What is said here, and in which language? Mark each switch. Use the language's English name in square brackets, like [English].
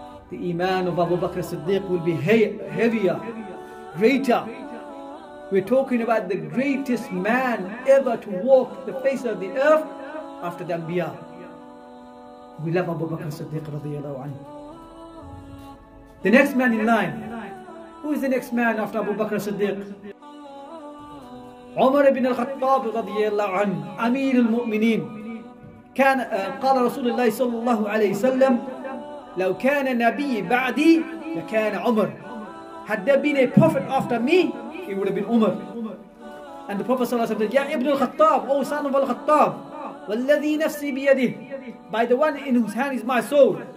[English] The إيمان of أبو بكر الصديق will be heavier, greater. We're talking about the greatest man ever to walk the face of the earth. After the Anbiya, we love Abu Bakr Siddiq radiyallahu anhu. The next man in line, who is the next man after Abu Bakr Siddiq? Umar ibn al-Khattab radiyallahu anhu, Amir al-Mu'minin. [Arabic] قال رسول الله صلى الله عليه وسلم, لو كان نبي بعدي لكان عمر. [English] Had there been a prophet after me, it would have been Umar. And the Prophet صلى الله عليه وسلم said, [Arabic] يا ابن الخطاب, [English] O son of al-Khattab. [Arabic] وَالَّذِي نَفْسِي بِيَدِهِ. [English] By the one in whose hand is my soul.